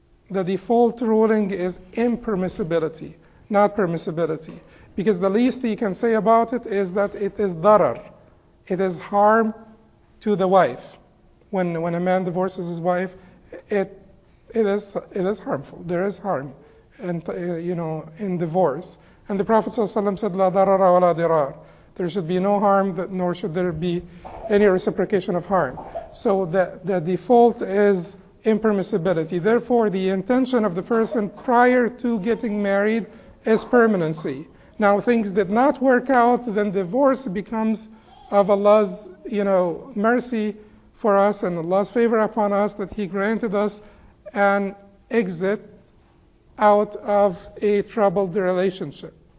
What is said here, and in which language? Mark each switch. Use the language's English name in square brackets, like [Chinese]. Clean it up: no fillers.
[English] The default ruling is impermissibility, not permissibility. Because the least he can say about it is that it is darar. It is harm to the wife. When a man divorces his wife, it is harmful. There is harm in divorce. And the Prophet ﷺ said, [Arabic] لَا دَرَرَ وَلَا دِرَارَ. [English] There should be no harm, nor should there be any reciprocation of harm. So the default is impermissibility. Therefore, the intention of the person prior to getting married is permanency. Now, things did not work out, then divorce becomes of Allah's, you know, mercy for us and Allah's favor upon us that He granted us an exit out of a troubled relationship.